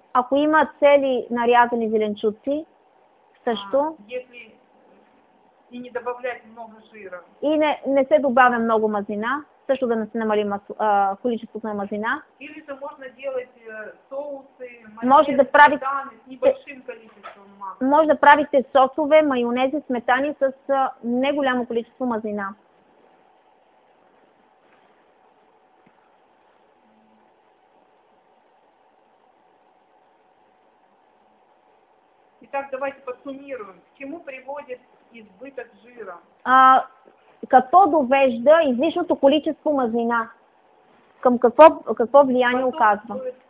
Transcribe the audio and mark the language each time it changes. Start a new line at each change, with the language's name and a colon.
Bulgarian: Ако има цели нарязани зеленчуци, също.
Russian: Если и не добавлять много жира.
Bulgarian: И не се добавя много мазнина. Също да не се намали количеството на мазнина.
Russian: Или же можно делать соусы,
Bulgarian: майонез, да правите,
Russian: сметани с небольшим количеством масла.
Bulgarian: Може да правите сосове, майонези, сметани с неголямо количество мазнина.
Russian: Итак, давайте подсумируем. К чему приводит избыток жира?
Bulgarian: Какво довежда излишното количество мазнина? Към какво влияние оказва?